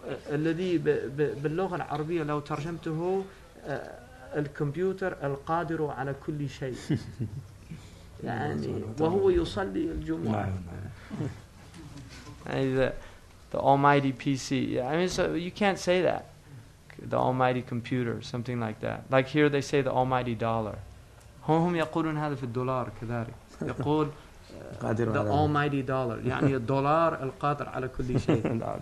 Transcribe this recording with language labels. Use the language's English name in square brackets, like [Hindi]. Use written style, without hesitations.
[Arabic] الذي باللغة العربية لو ترجمته الكمبيوتر القادر على كل شيء يعني وهو يصلي الجمعة [English] the Almighty PC. I mean, so you can't say that the Almighty computer, something like that. Like here they say the Almighty dollar. [Arabic] هم يقولون هذا في الدولار كذلك يقول [English] the Almighty dollar. [Arabic] يعني الدولار القادر على كل شيء.